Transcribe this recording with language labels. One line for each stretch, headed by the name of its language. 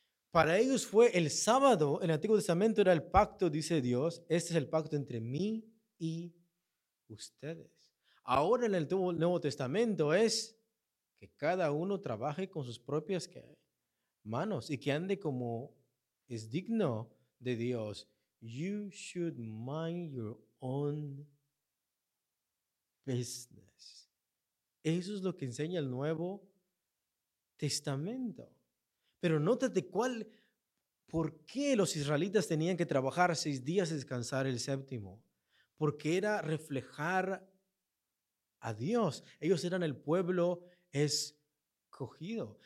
Spanish: Para ellos fue el sábado, el Antiguo Testamento era el pacto, dice Dios. Este es el pacto entre mí y ustedes. Ahora en el Nuevo Testamento es que cada uno trabaje con sus propias manos y que ande como es digno de Dios.
English: You should mind your own business.
Spanish: Eso es lo que enseña el Nuevo Testamento. Pero nótate cuál, ¿por qué los israelitas tenían que trabajar 6 días y descansar el séptimo? Porque era reflejar a Dios. Ellos eran el pueblo escogido.